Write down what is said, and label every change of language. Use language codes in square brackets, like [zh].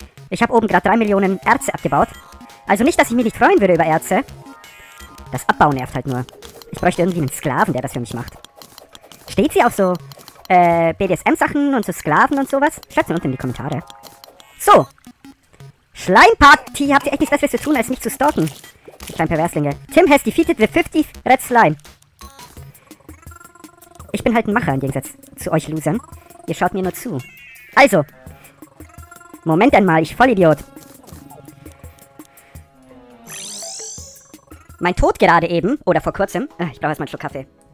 [de] Ich habe oben gerade 3 Millionen Erze abgebaut. Also nicht, dass ich mich nicht freuen würde über Erze. Das Abbau nervt halt nur. Ich bräuchte irgendwie einen Sklaven, der das für mich macht. Steht sie auf so BDSM-Sachen und so Sklaven und sowas? Schreibt sie unten in die Kommentare. So! Schleimparty! Habt ihr echt nichts Besseres zu tun, als mich zu stalken? Die kleinen Perverslinge. [en] Tim has defeated the 50 Red Slime. [de] Ich bin halt ein Macher, im Gegensatz zu euch Losern. Ihr schaut mir nur zu. Also. Moment einmal, ich Vollidiot. Mein Tod gerade eben, oder vor kurzem. Ich brauche erstmal einen Schluck Kaffee.